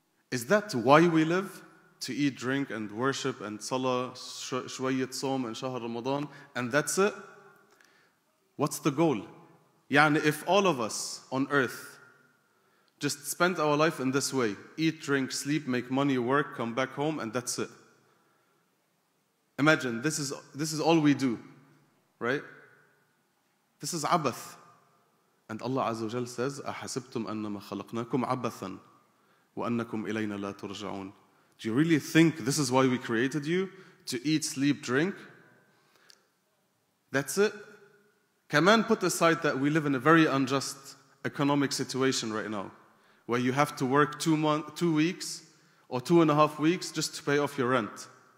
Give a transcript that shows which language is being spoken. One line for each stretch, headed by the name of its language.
English: Is that why we live? To eat, drink, and worship, and salah,
Arabic: shwayat sawm,
English: and shahar Ramadan, and that's it? What's the goal? Yani, if all of us on earth just spend our life in this way. Eat, drink, sleep, make money, work, come back home, and that's it. Imagine, this is all we do, right? This is abath. And Allah Azza wa Jal says,
Arabic: أَحَسِبْتُمْ أَنَّمَا خَلَقْنَاكُمْ عَبَثًا وَأَنَّكُمْ إِلَيْنَا لَا تُرْجَعُونَ.
English: Do you really think this is why we created you? To eat, sleep, drink? That's it? Can man put aside that we live in a very unjust economic situation right now, where you have to work 2 weeks or 2.5 weeks just to pay off your rent.